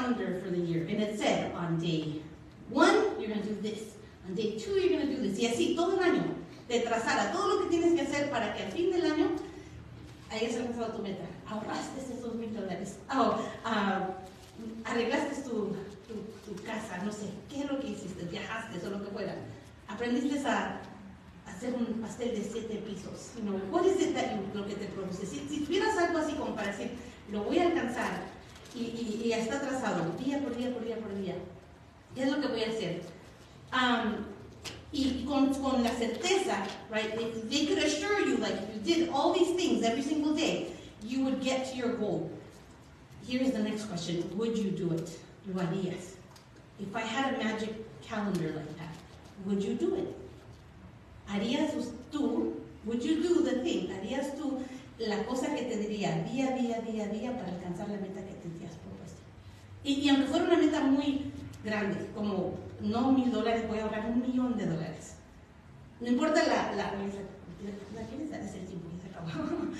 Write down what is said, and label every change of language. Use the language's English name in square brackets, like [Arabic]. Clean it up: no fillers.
[English] calendar for the year, and it said, on day one, you're going to do this. On day two, you're going to do this. [Spanish] Y así, todo el año, te trazara todo lo que tienes que hacer para que al fin del año hayas alcanzado tu meta. Ahorraste esos $1,000. Arreglaste tu casa, no sé, qué es lo que hiciste, viajaste, o lo que fuera. Aprendiste a hacer un pastel de 7 pisos. No, ¿cuál es el talento, lo que te produce? Si tuvieras algo así como para decir, lo voy a alcanzar, y ya está trazado, día por día, por día, por día, ¿qué es lo que voy a hacer? Y con la certeza, [English] right, they could assure you, like, if you did all these things every single day, you would get to your goal. Here is the next question, would you do it? [Spanish] ¿Lo harías? [English] If I had a magic calendar like that, would you do it? [Spanish] ¿Harías tú? [English] Would you do the thing? [Spanish] ¿Harías tú la cosa que te diría día, día, día, día para alcanzar la meta que te has propuesto? Y a lo mejor una meta muy grande, como no $1,000, voy a ahorrar $1,000,000. No importa la que les da ese tiempo que se acabó.